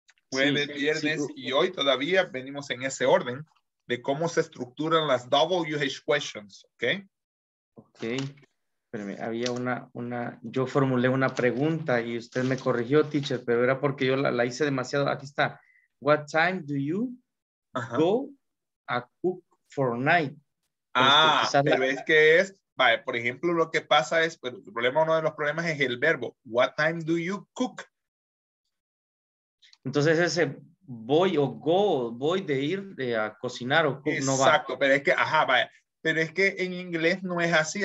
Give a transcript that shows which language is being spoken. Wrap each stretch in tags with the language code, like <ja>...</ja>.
<es>Jueves, sí, viernes y hoy todavía venimos en ese orden de cómo se estructuran las WH questions, ¿ok? Ok, pero había una, yo formulé una pregunta y usted me corrigió, teacher, pero era porque yo la hice demasiado. Aquí está,</es> <en>what time do you go a cook for night.</en> <es>Ah, pero es que es Vale, por ejemplo, lo que pasa es, pero el problema, uno de los problemas es el verbo.</es> <en>What time do you cook?</en> <es>Entonces ese voy o go, voy de ir de a cocinar o cook. Exacto, no va. Exacto, pero es que, ajá, vale. Pero es que en inglés no es así.</es>